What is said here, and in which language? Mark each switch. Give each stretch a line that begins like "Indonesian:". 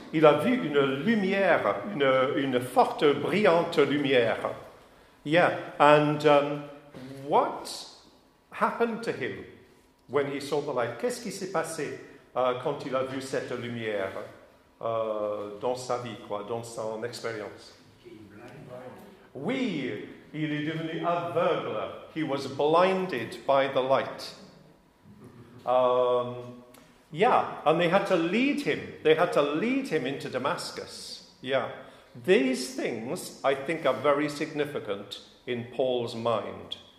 French: Il a vu une lumière, une forte, brillante lumière.
English: Yeah, and what happened to him when he saw the light?
French: Qu'est-ce qui s'est passé quand il a vu cette lumière dans sa vie, quoi, dans son expérience? Oui, il est devenu aveugle.
English: He was blinded by the light. Yeah, and they had to lead him. They had to lead him into Damascus. Yeah. These things, I think, are very significant in Paul's mind.